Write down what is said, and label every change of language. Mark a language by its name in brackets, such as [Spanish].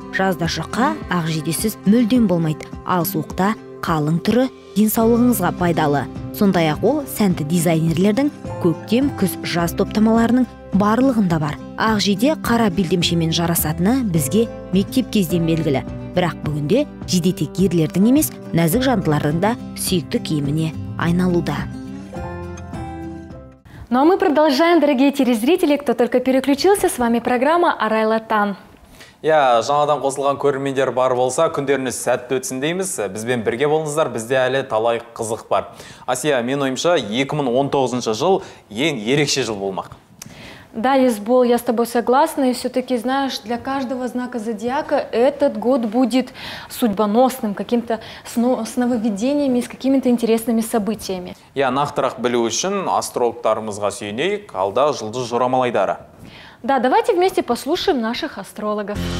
[Kazakh] Жазда жұқа, ақ жидесіз мүлдем болмайды. Ал суықта қалың түрі денсаулығыңызға пайдалы. Сондай-ақ ол сәнді дизайнерлердің көктем, күз, жаз топтамаларының барлығында бар. Ақ жиде қара белдемшемен жарасатыны бізге мектеп кезден белгілі. Бірақ бүгінде жиде тек ерлердің емес, нәзік жандылардың да сүйікті киіміне айналуда. [Russian] Ну а мы продолжаем, дорогие телезрители, кто только переключился, с вами программа «Арай Латан». [Kazakh] Я жаңадан қосылған көрермендер бар болса, күндеріңіз сәтті өтсін дейміз, бізбен бірге болыңыздар, бізде әлі талай қызық бар. Асия, мен ойымша 2019 жыл ең ерекше жыл болмақ. [Russian] Да, Есбол, я с тобой согласна, и все-таки, знаешь, для каждого знака зодиака этот год будет судьбоносным, каким-то с нововведениями, с какими-то интересными событиями. [Kazakh] Я нақтырақ білу үшін астрологтарымызға сүйенейік, алда жылды жорамалайдары. [Russian] Да, давайте вместе послушаем наших астрологов.